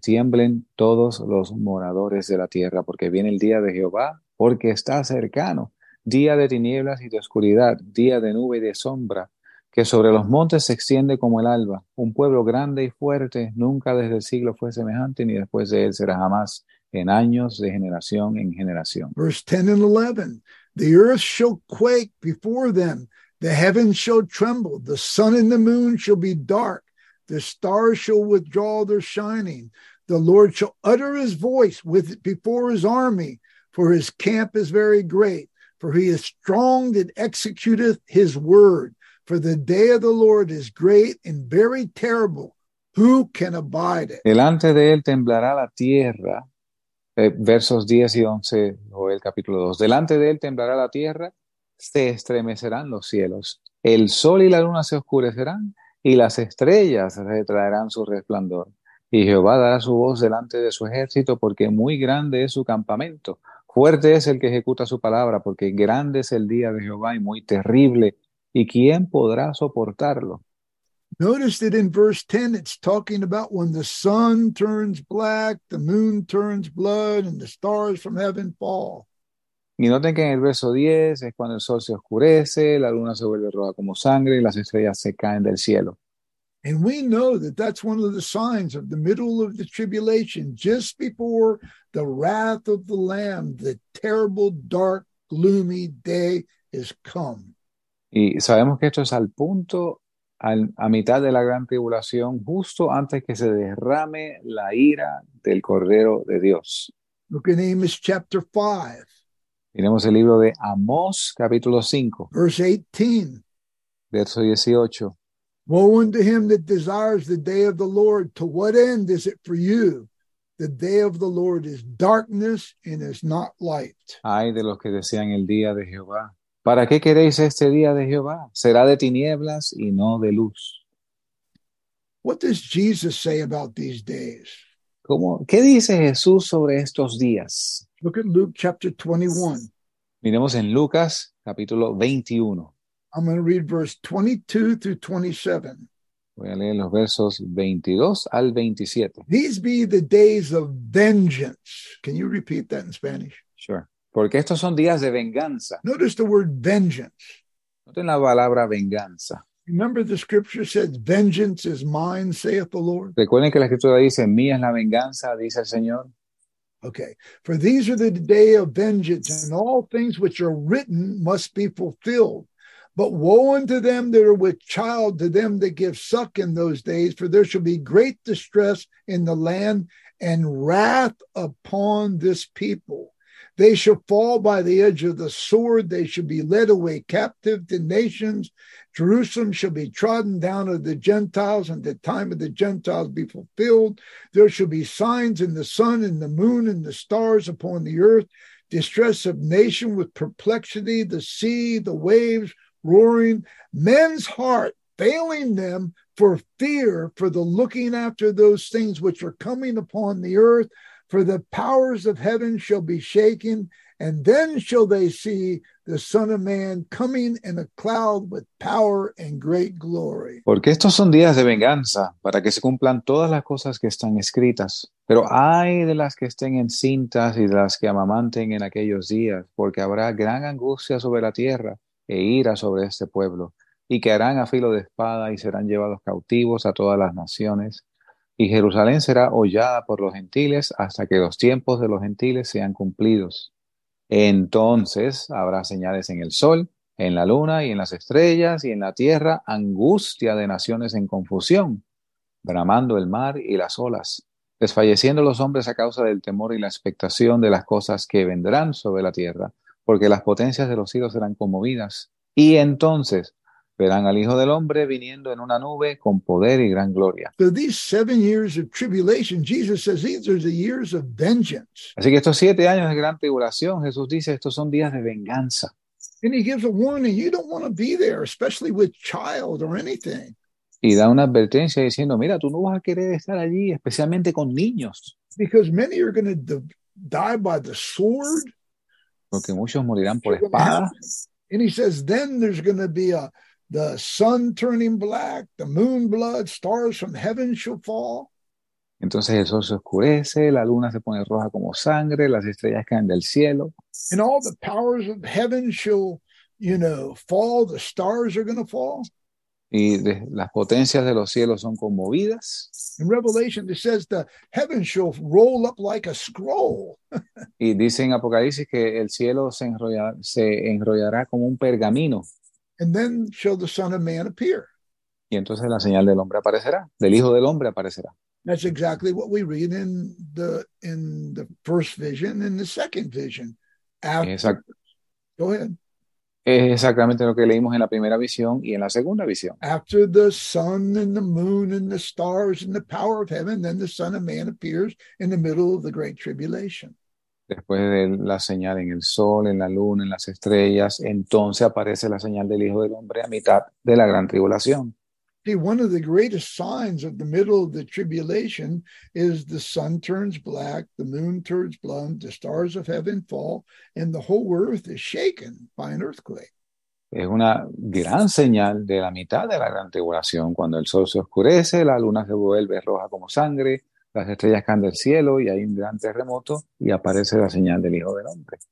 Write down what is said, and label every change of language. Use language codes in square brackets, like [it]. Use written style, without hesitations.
[es] Tiemblen todos los moradores de la tierra, porque viene el día de Jehová, porque está cercano. Día de tinieblas y de oscuridad, día de nube y de sombra, que sobre los montes se extiende como el alba. Un pueblo grande y fuerte, nunca desde el siglo fue semejante, ni después de él será jamás, en años de generación en generación. [en] Verse 10 and 11. The earth shall quake before them. The heavens shall tremble, the sun and the moon shall be dark, the stars shall withdraw their shining. The Lord shall utter his voice with before his army, for his camp is very great, for he is strong that executeth his word. For the day of the Lord is great and very terrible. Who can abide it? [es] Delante de él temblará la tierra. Versos 10 y 11, Joel capítulo 2. Delante de él temblará la tierra. Se estremecerán los cielos, el sol y la luna se oscurecerán y las estrellas retraerán su resplandor. Y Jehová dará su voz delante de su ejército porque muy grande es su campamento. Fuerte es el que ejecuta su palabra porque grande es el día de Jehová y muy terrible. ¿Y quién podrá soportarlo? [en] Notice that in verse 10, it's talking about when the sun turns black, the moon turns blood, and the stars from heaven fall. [es] Y noten que en el verso 10 es cuando el sol se oscurece, la luna se vuelve roja como sangre y las estrellas se caen del cielo. [en] And we know that that's one of the signs of the middle of the tribulation, just before the wrath of the Lamb, the terrible, dark, gloomy day is come. [es] Y sabemos que esto es al punto, a mitad de la gran tribulación, justo antes que se derrame la ira del Cordero de Dios. [en] Look in Amos chapter 5. [es] Miremos el libro de Amós, capítulo 5. [en] Verse 18. [es] Verso 18. [en] Woe unto him that desires the day of the Lord. To what end is it for you? The day of the Lord is darkness and is not light. [es] Ay de los que desean el día de Jehová. ¿Para qué queréis este día de Jehová? Será de tinieblas y no de luz. [en] What does Jesus say about these days? [es] ¿Cómo? ¿Qué dice Jesús sobre estos días? [en] Look at Luke chapter 21. [es] Miremos en Lucas capítulo 21. [en] I'm going to read verse 22 through 27. [es] Voy a leer los versos 22 al 27. [en] These be the days of vengeance. Can you repeat that in Spanish? Sure. [es] Porque estos son días de venganza. [en] Notice the word vengeance. [es] Noten la palabra venganza. [en] Remember the scripture said, vengeance is mine, saith the Lord. [es] Recuerden que la escritura dice, mía es la venganza, dice el Señor. [en] Okay. For these are the day of vengeance, and all things which are written must be fulfilled. But woe unto them that are with child, to them that give suck in those days, for there shall be great distress in the land and wrath upon this people. They shall fall by the edge of the sword. They shall be led away captive to nations. Jerusalem shall be trodden down of the Gentiles, and the time of the Gentiles be fulfilled. There shall be signs in the sun and the moon and the stars upon the earth, distress of nation with perplexity, the sea, the waves, roaring, men's heart failing them for fear for the looking after those things which are coming upon the earth, for the powers of heaven shall be shaken, and then shall they see the Son of Man coming in a cloud with power and great glory. [es] Porque estos son días de venganza, para que se cumplan todas las cosas que están escritas. Pero ay de las que estén encintas y de las que amamanten en aquellos días, porque habrá gran angustia sobre la tierra e ira sobre este pueblo, y caerán a filo de espada y serán llevados cautivos a todas las naciones, y Jerusalén será hollada por los gentiles hasta que los tiempos de los gentiles sean cumplidos. Entonces habrá señales en el sol, en la luna y en las estrellas, y en la tierra angustia de naciones en confusión, bramando el mar y las olas, desfalleciendo los hombres a causa del temor y la expectación de las cosas que vendrán sobre la tierra, porque las potencias de los cielos serán conmovidas, y entonces verán al Hijo del Hombre viniendo en una nube con poder y gran gloria. [en] So these 7 years of tribulation, Jesus says these are the years of vengeance. [es] Así que estos 7 años de gran tribulación, Jesús dice, estos son días de venganza. [en] And he gives a warning, you don't want to be there, especially with child or anything. [es] Y da una advertencia diciendo, mira, tú no vas a querer estar allí, especialmente con niños. [en] Because many are going to die by the sword. [es] Porque muchos morirán por espada. [en] And he says, then there's going to be the sun turning black, the moon blood, stars from heaven shall fall. [es] Entonces el sol se oscurece, la luna se pone roja como sangre, las estrellas caen del cielo. [en] And all the powers of heaven shall, you know, fall, the stars are going to fall. [es] Y las potencias de los cielos son conmovidas. [en] In Revelation, it says the heaven shall roll up like a scroll. [es] Y dice en Apocalipsis que el cielo se enrollará como un pergamino. [en] And then shall the Son of Man appear. [es] Y entonces la señal del hombre aparecerá, del Hijo del Hombre aparecerá. [en] That's exactly what we read in the first vision and the second vision. Go ahead. [es] Es exactamente lo que leímos en la primera visión y en la segunda visión. [en] After the sun and the moon and the stars and the power of heaven, then the Son of Man appears in the middle of the great tribulation. [es] Después de la señal en el sol, en la luna, en las estrellas, entonces aparece la señal del Hijo del Hombre a mitad de la gran tribulación. [en] See, one of the greatest signs of the middle of the tribulation is the sun turns black, the moon turns blue, the stars of heaven fall, and the whole earth is shaken by an earthquake. [es] Es una gran señal de la mitad de la gran tribulación, cuando el sol se oscurece, la luna se vuelve roja como sangre, las estrellas caen del cielo y hay un gran terremoto y aparece la señal del Hijo del Hombre.